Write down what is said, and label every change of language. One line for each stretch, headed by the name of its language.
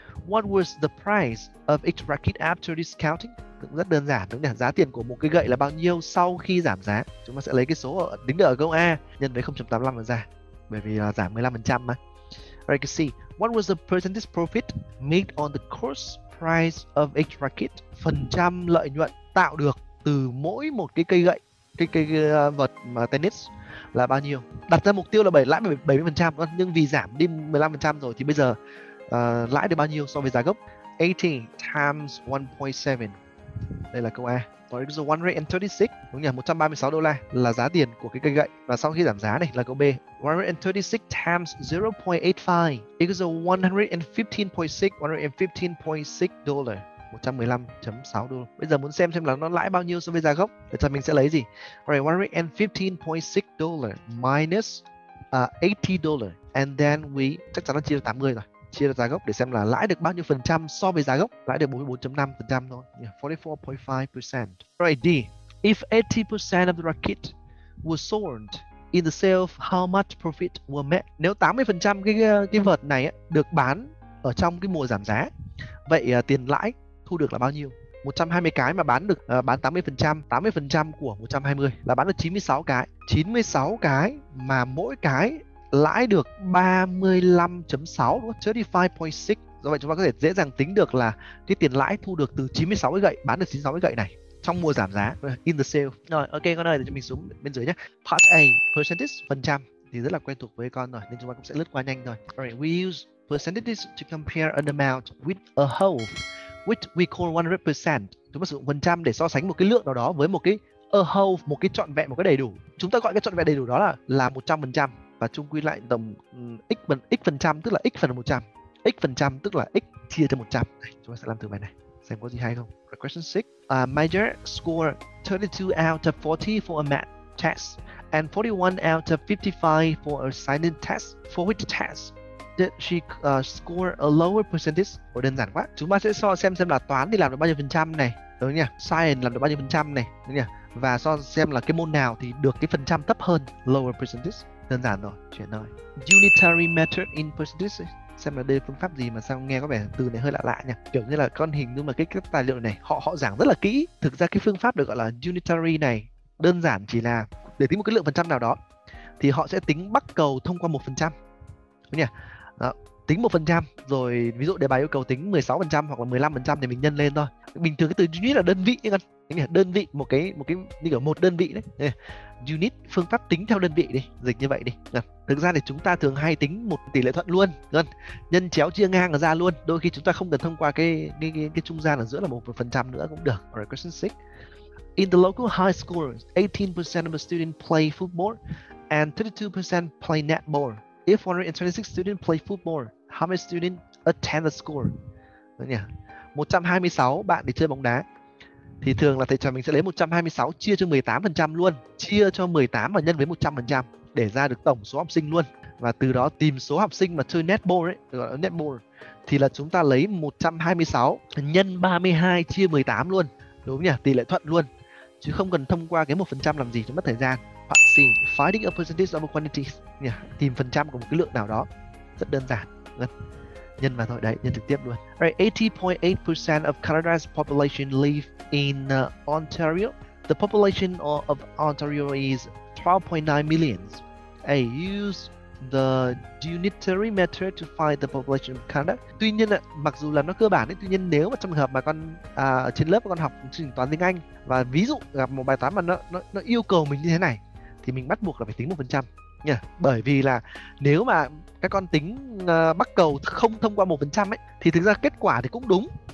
English: What was the price of each racket after discounting?
Vietnamese: Cũng rất đơn giản, đúng không? Giá tiền của một cái gậy là bao nhiêu sau khi giảm giá? Chúng ta sẽ lấy cái số đứng ở câu A nhân với 0.85 và ra, bởi vì là giảm 15% mà.
English: Alright, let's see. What was the percentage profit made on the course price of each racket?
Vietnamese: Phần trăm lợi nhuận tạo được từ mỗi một cái cây gậy, cái vợt mà tennis là bao nhiêu? Đặt ra mục tiêu là lãi 70%, nhưng vì giảm đi 15% rồi thì bây giờ lãi được bao nhiêu so với giá gốc?
English: 80 times 1.7.
Vietnamese: Đây là câu A. Còn cái số 136, đúng nhỉ? $136 là giá tiền của cái cây gậy. Và sau khi giảm giá này là câu B.
English: 136 times 0.85 equals 115.6 115.6 đô.
Vietnamese: Bây giờ muốn xem là nó lãi bao nhiêu so với giá gốc thì cho mình sẽ lấy gì?
English: Alright, $115.6 minus $80, and then we
Vietnamese: chắc chắn nó chia 80 rồi. Chia ra giá gốc để xem là lãi được bao nhiêu phần trăm so với giá gốc. Lãi được 44.5% thôi. 44.5%.
English: Right, D. If 80% of the racket was sold in the sale, how much profit were made?
Vietnamese: Nếu 80% cái vợt này được bán ở trong cái mùa giảm giá, vậy tiền lãi thu được là bao nhiêu? 120 cái mà bán được bán 80%, 80% của 120 là bán được 96 cái. 96 cái mà mỗi cái lãi được 35.6, đúng không? 35.6. Do vậy chúng ta có thể dễ dàng tính được là cái tiền lãi thu được từ 96 cái gậy, bán được 96 cái gậy này trong mùa giảm giá,
English: in the sale.
Vietnamese: Rồi, ok con ơi, để cho mình xuống bên dưới nhé.
English: Part A, percentage,
Vietnamese: phần trăm thì rất là quen thuộc với con rồi, nên chúng ta cũng sẽ lướt qua nhanh thôi.
English: Alright, we use percentages to compare an amount with a whole, which we call 100%.
Vietnamese: chúng ta sử dụng phần trăm để so sánh một cái lượng nào đó với một cái
English: a whole,
Vietnamese: một cái trọn vẹn, một cái đầy đủ. Chúng ta gọi cái trọn vẹn đầy đủ đó là 100%, và chung quy lại tổng x phần trăm tức là x phần 100, x phần trăm tức là x chia cho 100. Chúng ta sẽ làm thử bài này xem có gì hay không.
English: Question 6. Major score 32 out of 40 for a math test and 41 out of 55 for a silent test. For which test did she score a lower percentage?
Vietnamese: Ủa, đơn giản quá. Chúng ta sẽ so xem là toán thì làm được bao nhiêu phần trăm này, đúng nhỉ? Science làm được bao nhiêu phần trăm này, đúng nhỉ? Và so xem là cái môn nào thì được cái phần trăm thấp hơn,
English: lower percentage.
Vietnamese: Đơn giản rồi, chuyện thôi.
English: Unitary method in percentage.
Vietnamese: Xem là đây là phương pháp gì mà sao nghe có vẻ từ này hơi lạ lạ nhỉ? Kiểu như là con hình, nhưng mà cái tài liệu này họ giảng rất là kỹ. Thực ra cái phương pháp được gọi là unitary này đơn giản chỉ là để tính một cái lượng phần trăm nào đó thì họ sẽ tính bắc cầu thông qua 1%, đúng nhỉ? Đó, tính 1%, rồi ví dụ đề bài yêu cầu tính 16% hoặc là 15% thì mình nhân lên thôi. Bình thường cái từ unit là đơn vị, đơn vị một cái như kiểu một đơn vị đấy. Unit, phương pháp tính theo đơn vị đi, dịch như vậy đi. Thực ra thì chúng ta thường hay tính một tỷ lệ thuận luôn, nhân chéo chia ngang ra luôn, đôi khi chúng ta không cần thông qua cái trung gian ở giữa là 1% nữa cũng được.
English: Alright, question 6. In the local high school, 18% of the students play football and 32% play netball. If 126 students play football, how many students attend the school?
Vietnamese: 126 bạn thì chơi bóng đá, thì thường là thầy trò mình sẽ lấy 126 chia cho 18% luôn, chia cho 18 và nhân với 100% để ra được tổng số học sinh luôn. Và từ đó tìm số học sinh mà chơi netball ấy, gọi là netball, thì là chúng ta lấy 126 nhân 32 chia 18 luôn, đúng nhỉ? Tỷ lệ thuận luôn, chứ không cần thông qua cái 1% làm gì cho mất thời gian.
English: Finding a percentage of a quantity,
Vietnamese: tìm phần trăm của một cái lượng nào đó, rất đơn giản, nhân vào thôi đấy, nhân trực tiếp luôn.
English: Alright, 80.8% of Canada's population live in Ontario. The population of Ontario is 12.9 million. A, use the unitary method to find the population of Canada.
Vietnamese: Tuy nhiên, mặc dù là nó cơ bản ấy, tuy nhiên nếu mà trong trường hợp mà con trên lớp con học chương trình toán tiếng Anh và ví dụ gặp một bài toán mà nó yêu cầu mình như thế này, thì mình bắt buộc là phải tính 1%. Nhỉ? Bởi vì là nếu mà các con tính bắc cầu không thông qua 1% ấy, thì thực ra kết quả thì cũng đúng.